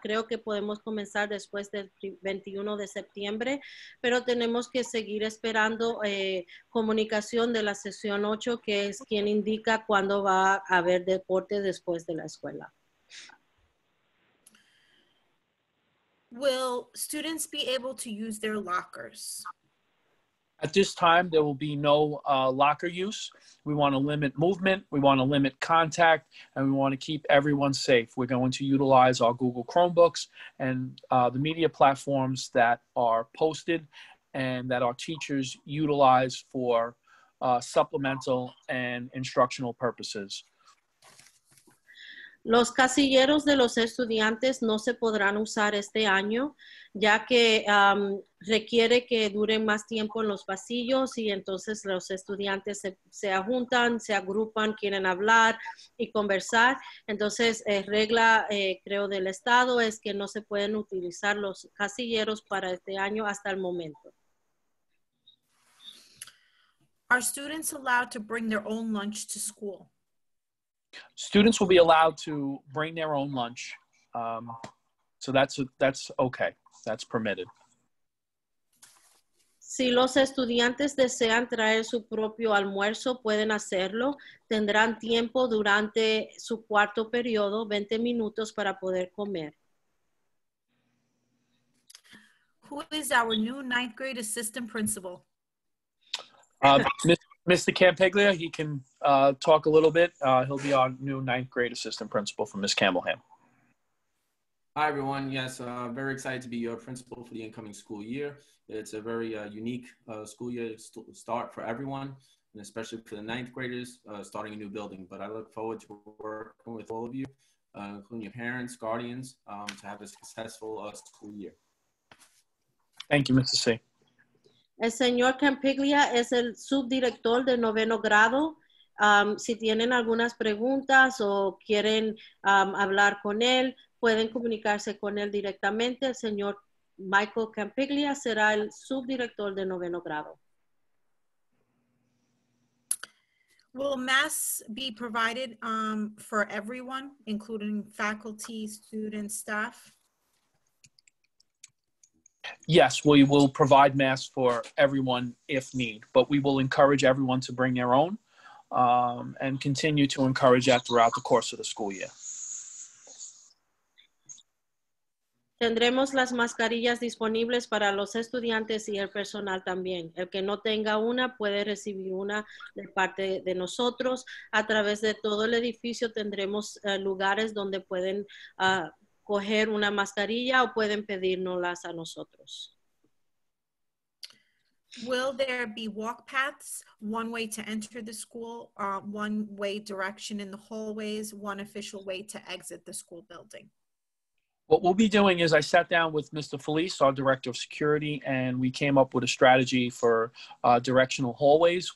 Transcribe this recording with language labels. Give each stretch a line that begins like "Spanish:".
Spanish: Creo que podemos comenzar después del 21 de septiembre, pero tenemos que seguir esperando comunicación de la sesión 8, que es quien indica cuándo va a haber deporte después de la escuela.
English: Will students be able to use their lockers? At this time, there will be no locker use. We want to limit movement, we want to limit contact, and we want to keep everyone safe. We're going to utilize our Google Chromebooks and the media platforms that are posted and that our teachers utilize for supplemental and instructional purposes.
Spanish: Los casilleros de los estudiantes no se podrán usar este año, ya que requiere que duren más tiempo en los pasillos y entonces los estudiantes se juntan, se agrupan, quieren hablar y conversar. Entonces, regla, creo, del Estado es que no se pueden utilizar los casilleros para este año hasta el momento.
English: Are students allowed to bring their own lunch to school? Students will be allowed to bring their own lunch, so that's okay. That's permitted.
Spanish: Si los estudiantes desean traer su propio almuerzo, pueden hacerlo. Tendrán tiempo durante su cuarto periodo, 20 minutos, para poder comer.
English: Who is our new ninth grade assistant principal? Mr. Campiglia, he can talk a little bit. He'll be our new ninth grade assistant principal from Ms. Campbellham. Hi, everyone. Yes, very excited to be your principal for the incoming school year. It's a very unique school year start for everyone, and especially for the ninth graders starting a new building. But I look forward to working with all of you, including your parents, guardians, to have a successful school year. Thank you, Mr. C.
Spanish: El señor Campiglia es el subdirector de noveno grado. Si tienen algunas preguntas o quieren hablar con él, pueden comunicarse con él directamente. El señor Michael Campiglia será el subdirector de noveno grado.
English: Will masks be provided for everyone, including faculty, students, staff? Yes, we will provide masks for everyone if need, but we will encourage everyone to bring their own and continue to encourage that throughout the course of the school year.
Spanish: Tendremos las mascarillas disponibles para los estudiantes y el personal también. El que no tenga una puede recibir una de parte de nosotros. A través de todo el edificio tendremos lugares donde pueden coger una mascarilla o pueden pedírnoslas a nosotros.
English: Will there be walk paths, one way to enter the school, one way direction in the hallways, one official way to exit the school building? What we'll be doing is I sat down with Mr. Felice, our director of security, and we came up with a strategy for directional hallways.